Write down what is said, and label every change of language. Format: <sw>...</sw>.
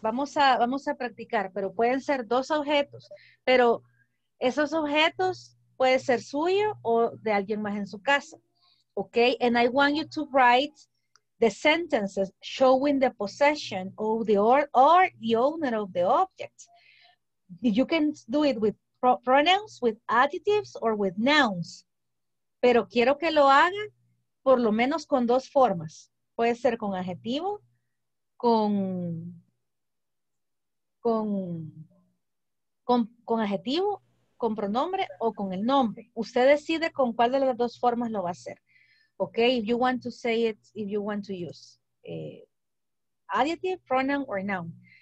<es>Vamos a practicar, pero pueden ser dos objetos. Pero esos objetos puede ser suyo o de alguien más en su casa.</es> <en>Okay? And I want you to write the sentences showing the possession of the or the owner of the object. You can do it with pronouns, with adjectives, or with nouns.</en> <es>Pero quiero que lo hagan por lo menos con dos formas. Puede ser con adjetivo, con adjetivo, con pronombre o con el nombre. Usted decide con cuál de las dos formas lo va a hacer.</es> <en>Ok, if you want to say it, if you want to use adjective, pronoun or noun.</en>